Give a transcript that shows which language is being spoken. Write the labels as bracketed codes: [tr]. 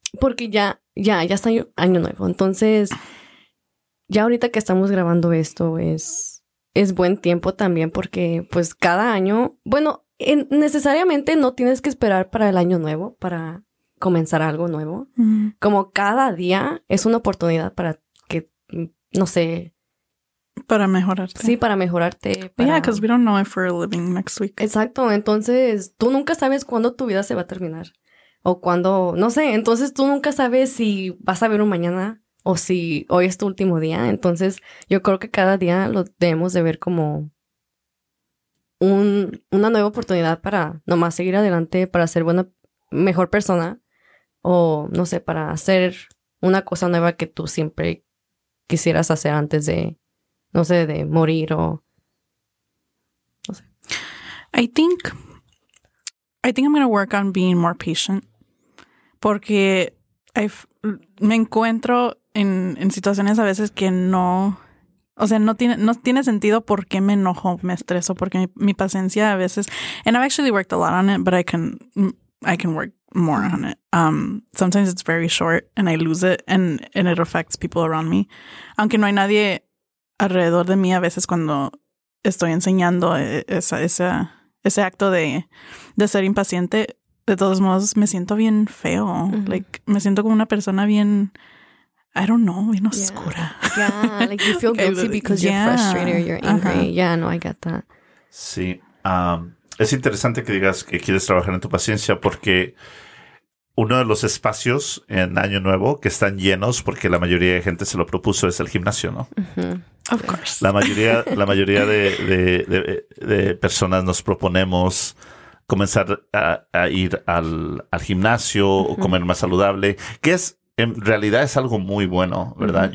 [es] Porque ya está año nuevo. Entonces, ya ahorita que estamos grabando esto es buen tiempo también porque pues cada año, bueno, necesariamente no tienes que esperar para el año nuevo para comenzar algo nuevo. Mm-hmm. Como cada día es una oportunidad para que, no sé. Para mejorarte. Sí, para mejorarte. [en] Yeah, because we don't know if we're living next week. [es] Exacto. Entonces, tú nunca sabes cuándo tu vida se va a terminar. O cuándo, no sé. Entonces, tú nunca sabes si vas a ver un mañana o si hoy es tu último día. Entonces, yo creo que cada día lo debemos de ver como una nueva oportunidad para nomás seguir adelante, para ser buena, mejor persona. O, no sé, para hacer una cosa nueva que tú siempre quisieras hacer antes de, no sé, de morir o, no sé. [en] I think I'm going to work on being more patient. [es] Porque me encuentro en situaciones a veces que no, o sea, no tiene sentido por qué me enojo, me estreso, porque mi paciencia a veces, [en] and I've actually worked a lot on it, [es] but I can work more on it. [en] Sometimes it's very short and I lose it and it affects people around me. [es] Aunque no hay nadie alrededor de mí a veces cuando estoy enseñando ese acto de ser impaciente, de todos modos me siento bien feo. Mm-hmm. Like, me siento como una persona bien, [en] I don't know, [es] bien oscura. [en] Yeah, like you feel guilty because you're frustrated or you're angry. Uh-huh. Yeah, no, I get that. [es] Sí. Es interesante que digas que quieres trabajar en tu paciencia porque uno de los espacios en Año Nuevo que están llenos porque la mayoría de gente se lo propuso es el gimnasio, ¿no? [en] Uh-huh. Of course. [es] La mayoría de personas nos proponemos comenzar a ir al gimnasio, uh-huh, o comer más saludable, que es en realidad es algo muy bueno, ¿verdad?